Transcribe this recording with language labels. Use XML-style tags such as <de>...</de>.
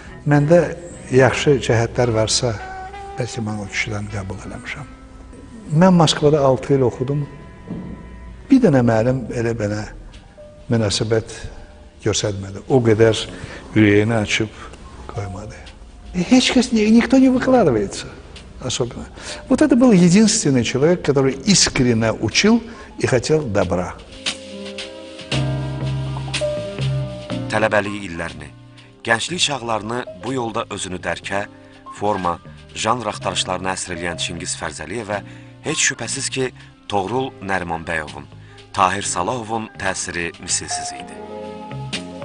<az>Məndə yaxşı cəhətlər varsa, bəlkə mən o kişidən qəbul eləmişəm. Mən Moskvada 6 il oxudum. Bir dənə müəllim elə mənə münasibət göstərmədi. O qədər ürəyini açıb qoymadı. Heç kəs,</az> <ru>никто не выкладывается. Особенно. Вот это был единственный человек, который искренне учил и хотел добра.</ru> <az>Tələbəlik illərini, gənclik çağlarını bu yolda özünü dərkə, forma, janr axtarışlarına əsr eləyən Çingiz Fərzəliyevə heç şübhəsiz ki, Toğrul Nərimanbəyovun, Tahir Salahovun təsiri misilsiz idi.</az>